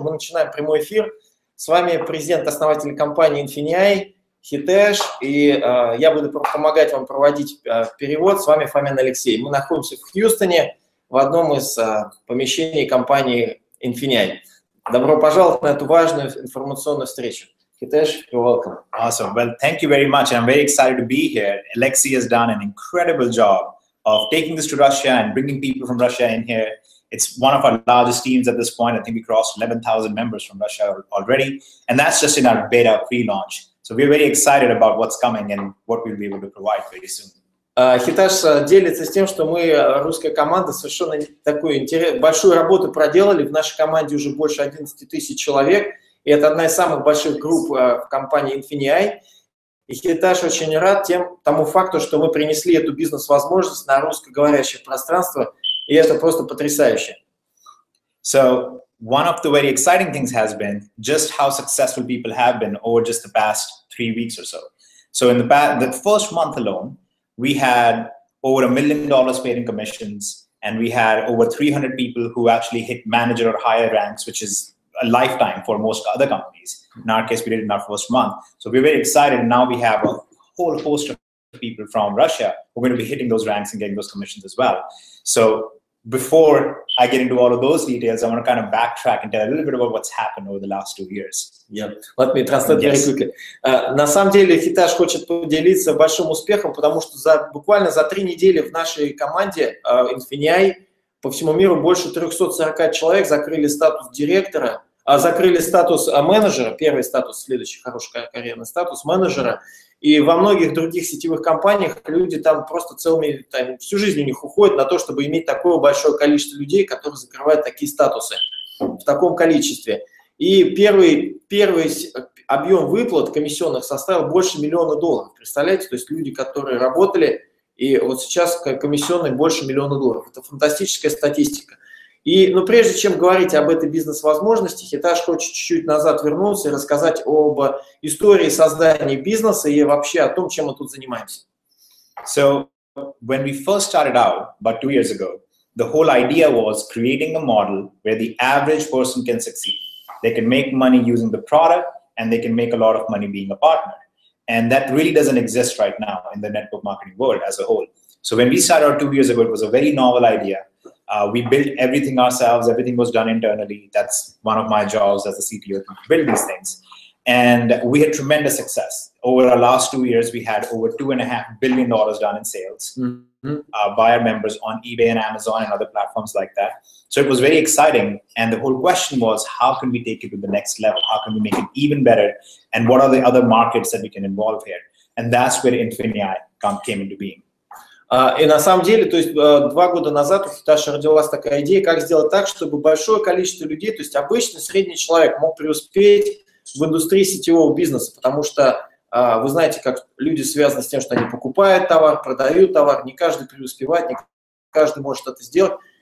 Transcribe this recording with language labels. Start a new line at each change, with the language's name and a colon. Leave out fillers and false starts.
Russian: Мы начинаем прямой эфир. С вами президент-основатель компании Infinii, Хитэш. И я буду помогать вам проводить перевод. С вами Фомин Алексей. Мы находимся в Хьюстоне, в одном из помещений компании Infinii. Добро пожаловать на эту важную информационную встречу.
English: Хитэш, you're welcome. Awesome. Well, thank you very much. I'm very excited to be here. Alexey has done an incredible job of taking this to Russia and bringing people from Russia in here. It's one of our largest teams at this point. I think we crossed 11,000 members from Russia already. And that's just in our beta pre-launch. So we're very excited about what's coming and what we'll be able to provide very soon.
Russian: Хитэш делится с тем, что мы, русская команда, совершенно такую большую работу проделали. В нашей команде уже больше 11 тысяч человек. И это одна из самых больших групп в компании Infinii. И Хитэш очень рад тому факту, что мы принесли эту бизнес-возможность на русскоговорящее пространство. И это просто потрясающе.
English: So, one of the very exciting things has been just how successful people have been over just the past 3 weeks or so. So, in the first month alone, we had over $1 million paid in commissions, and we had over 300 people who actually hit manager or higher ranks, which is a lifetime for most other companies. In our case, we did it in our first month. So we're very excited. Now we have a whole host of people from Russia who are going to be hitting those ranks and getting those commissions as well. So before I get into all of those details, I want to kind of backtrack and tell a little bit about what's happened over the last 2 years. Yeah, let me translate very quickly.
Russian: На самом деле, Хитэш хочет поделиться большим успехом, потому что буквально за 3 недели в нашей команде Infinii по всему миру больше 340 человек закрыли статус директора, закрыли статус менеджера, первый статус, следующий хороший карьерный статус менеджера. И во многих других сетевых компаниях люди там просто целыми, там, всю жизнь у них уходит на то, чтобы иметь такое большое количество людей, которые закрывают такие статусы в таком количестве. И первый объем выплат комиссионных составил больше $1 миллиона. Представляете, то есть люди, которые работали, и вот сейчас комиссионные больше $1 миллиона. Это фантастическая статистика. И, ну, прежде чем говорить об этой бизнес-возможности, Хитэш хочет чуть-чуть назад вернуться и рассказать об истории создания бизнеса и вообще о том, чем мы тут занимаемся.
English: So, when we first started out, about 2 years ago, the whole idea was creating a model where the average person can succeed. They can make money using the product, and they can make a lot of money being a partner. And that really doesn't exist right now in the network marketing world as a whole. So, when we started out 2 years ago, it was a very novel idea. We built everything ourselves. Everything was done internally. That's one of my jobs as a CTO to build these things. And we had tremendous success. Over our last 2 years, we had over $2.5 billion done in sales by our members on eBay and Amazon and other platforms like that. So it was very exciting. And the whole question was, how can we take it to the next level? How can we make it even better? And what are the other markets that we can involve here? And that's where Infinii came into being.
Russian: И на самом деле, то есть 2 года назад у Хитэша родилась такая идея, как сделать так, чтобы большое количество людей, то есть обычный средний человек, мог преуспеть в индустрии сетевого бизнеса, потому что вы знаете, как люди связаны с тем, что они покупают товар, продают товар, не каждый преуспевает, не каждый может это сделать.